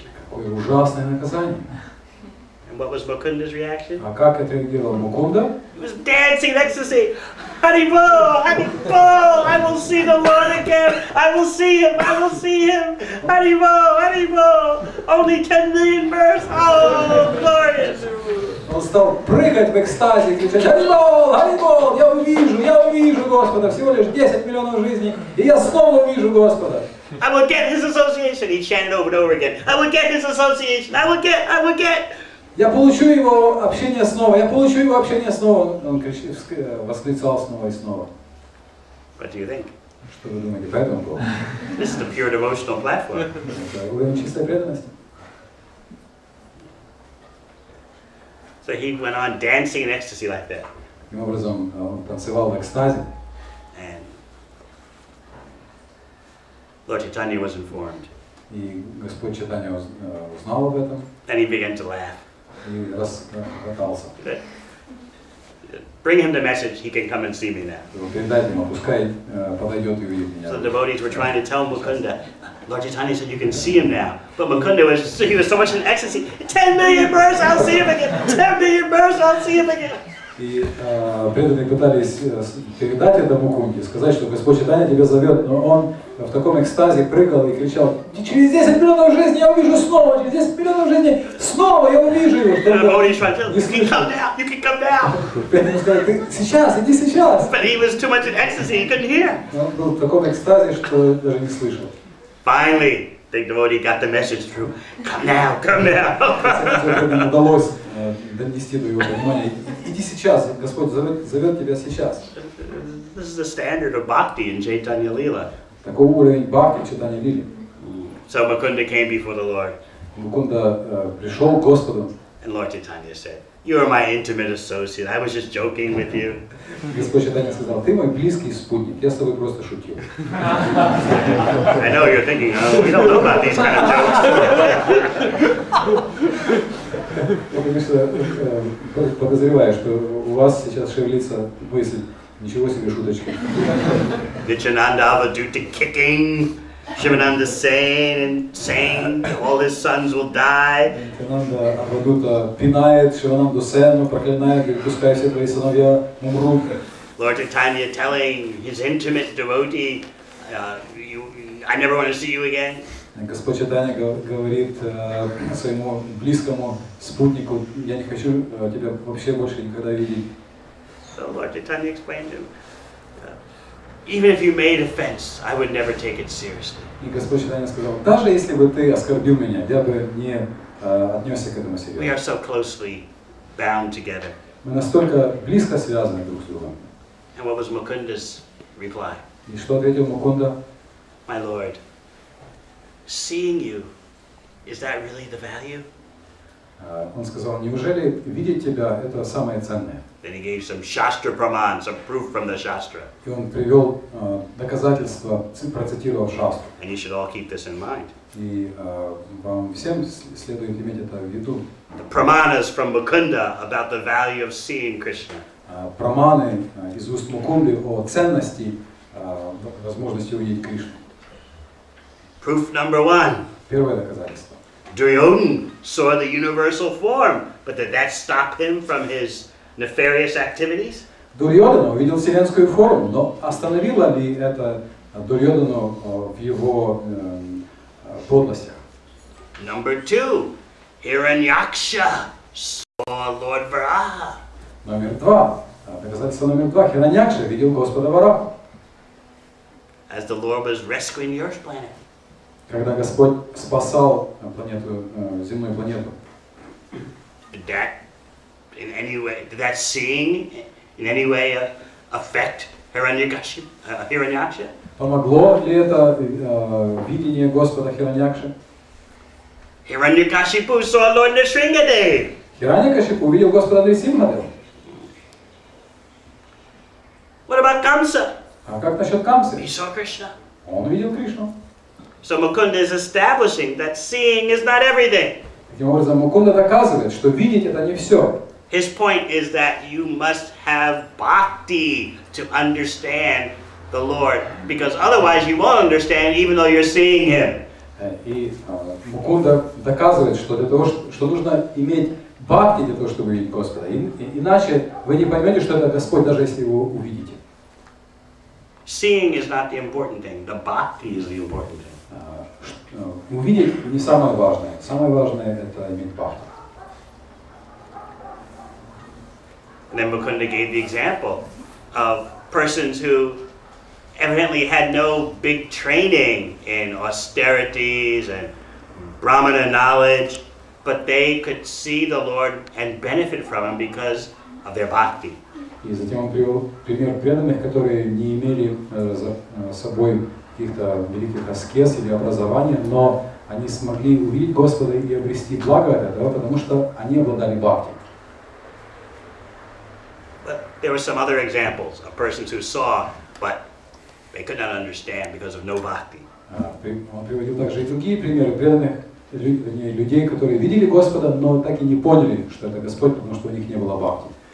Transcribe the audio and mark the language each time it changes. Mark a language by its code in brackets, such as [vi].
[ru] Какое ужасное наказание. [en] And what was Mukunda's reaction? [ru] А как отреагировал Мукунда? [en] He was dancing in ecstasy. Hari Bol, Hari Bol, I will see the Lord again. I will see him, I will see him. Hari Bol, Hari Bol. Only 10 million births. Oh, glorious. [ru] Он стал прыгать в экстазе, кричать, Hari Bol, Hari Bol, я увижу Господа. Всего лишь 10 миллионов жизней, и я снова увижу Господа. [en] I will get his association. He chanted over and over again. I will get his association. I will get. I will get. [ru] Я получу его общение снова. Я получу его общение снова. Он восклицал снова и снова. [en] What do you think? [ru] Что вы думаете по этому поводу? [en] This is a pure devotional platform. [ru] Это уровень чистой преданности. [en] So he went on dancing in ecstasy like that. [ru] Таким образом, он танцевал в экстазе. [en] Lord Chaitanya was informed. [ru] И Господь Чайтанья узнал об этом. [en] And he began to laugh. [ru] И расхохотался. [en] Bring him the message. He can come and see me now. [ru] Передайте ему, пускай подойдет и увидит меня. [en] So the devotees were trying to tell Mukunda. Lord Chaitanya said, "You can see him now." But Mukunda was—he was so much in ecstasy. 10 million births. I'll see him again. 10 million births. I'll see him again. [ru] И преданные пытались передать это Мукунде, сказать, что Господь Чайтанья тебя зовет, но он в таком экстазе прыгал и кричал, через 10 миллионов жизни я увижу снова, через 10 миллионов жизни снова я увижу его. Чтобы... [en] You can come down, you can come down. [ru] Преданные сказали, ты сейчас, иди сейчас. [en] But he was too much in ecstasy, he couldn't hear. [ru] Он был в таком экстазе, что даже не слышал. [en] Finally, the devotee got the message through, come now, come now. [ru] Донести до его внимания. Иди сейчас, Господь зовет тебя сейчас. [en] This is the standard of bhakti in Chaitanya Lila. [ru] Такой уровень бхакти в Чайтанья Лиле. [en] So Mukunda came before the Lord. [ru] Мукунда пришел к Господу. [en] And Lord Chaitanya said, "You are my intimate associate. I was just joking with you." [ru] Господь Чайтанья сказал, "Ты мой близкий спутник. Я с тобой просто шутил." [en] I know you're thinking, "Oh, we don't know about these kind of jokes." [ru] Потому что подозреваю, что у вас сейчас шевелится мысль. Ничего себе шуточки. [en] Nityananda will do the kicking. Shivananda saying and saying all his sons will die. [ru] Nityananda Абхадута пинает Шивананду Сену, проклинает, пускай все твои сыновья умрут. [en] Lord Chaitanya telling his intimate devotee, I never want to see you again. [ru] Господь Чайтанья говорит своему близкому спутнику, я не хочу тебя вообще больше никогда видеть. [en] So Lord Chaitanya explained to him, Even if you made offense, I would never take it seriously. [uk] І Господь Читання сказав, навіть якщо би ти оскорбив мене, я би не віднісся до цього серйозно. [en] We are so closely bound together. [uk] Ми настільки близько зв'язані друг з другом. [en] And what was Mukunda's reply? [uk] І що відповів Мукунда? [en] My Lord, seeing you, is that really the value? [ru] Он сказав, неужели видеть тебя – это самое ценное? [en] Then he gave some shastra praman, some proof from the shastra. [ru] И он привел доказательства, процитировал шастру. [en] And you should all keep this in mind. [ru] И вам всем следует иметь это в виду. [en] The pramanas from Mukunda about the value of seeing Krishna. [ru] Праманы из уст Мукунды о ценности, возможности увидеть Кришну. [en] Proof number one. [ru] Первое доказательство. [en] Duryodhan saw the universal form, but did that stop him from his nefarious activities? [ru] Duryodhan увидел вселенскую форму, но остановило ли это Duryodhana в его подлостях? [en] Number two, Hiranyaksha saw Lord Varaha. [ru] Номер два, доказательство номер два, Hiranyaksha видел Господа Вараху. [en] As the Lord was rescuing the Earth planet. [ru] Когда Господь спасал планету, земную планету. [en] Did that in any way, did that seeing in any way affect Hiranyaksha? [ru] Помогло ли это видение Господа Хираньякши? [en] Hiranyakashipu saw Lord Nrisimhadev. [ru] Hiranyakashipu увидел Господа Нрисимхадева. [en] What about Kamsa? [ru] А как насчет Камсы? [en] He saw Krishna. [ru] Он увидел Кришну. [en] So Mukunda is establishing that seeing is not everything. [ru] Таким образом, Мукунда доказывает, что видеть это не все. [en] His point is that you must have bhakti to understand the Lord, because otherwise you won't understand even though you're seeing him. [ru] И Мукунда доказывает, что для того, что нужно иметь бхакти для того, чтобы видеть Господа. Иначе вы не поймете, что это Господь, даже если его увидите. [en] Seeing is not the important thing. The bhakti is the important thing. [ru] Увидеть не самое важное. Самое важное – это иметь бхакти. [en] And then Mukunda gave the example of persons who evidently had no big training in austerities and brahmana knowledge, but they could see the Lord and benefit from him because of their bhakti. [ru] И затем он привел пример преданных, которые не имели за собой каких-то великих аскез или образования, но они смогли увидеть Господа и обрести благо от этого, потому что они обладали бхакти. [en] But there were some other examples of persons who saw, but they could not understand because of no bhakti. [ru] Он приводил также и другие примеры преданных людей, которые видели Господа, но так и не поняли, что это Господь, потому что у них не было бхакти.